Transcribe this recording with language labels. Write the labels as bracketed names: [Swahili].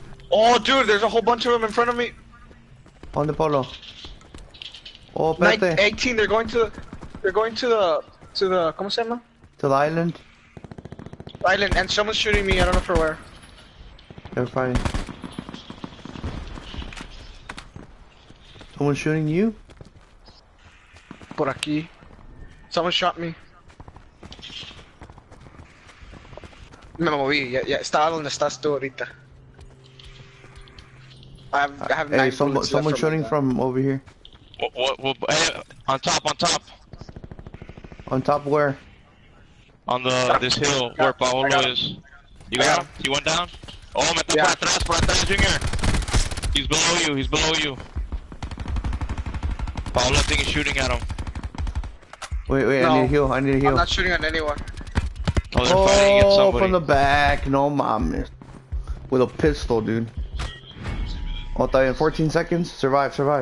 [English] Oh, dude, there's a whole bunch of them in front of me. [Spanish] ¿Dónde, Pablo? Oh, espérate. 18, [English] they're going to the, [Spanish] ¿cómo se llama? [English] To the island. Island, and someone's shooting me, I don't know for where. They're fighting. Someone's shooting you? [Spanish] Por aquí. [English] Someone shot me. [Spanish] Me moví, ya estaba donde estás tú ahorita. [English] I have 9 bullets. Someone shooting from over here. What? On top. On top where? On this hill where Paolo is. You got him? He went down? [Spanish] Oh, me tocó atrás, por atrás, Junior. [English] He's below you. Paolo, I think he's shooting at him. Wait, no. I need a heal. I'm not shooting at anyone. Oh, they're fighting against somebody. From the back, [Spanish] no mames. [English] With a pistol, dude. Oh, [Spanish] está bien, [English] 14 seconds. Survive.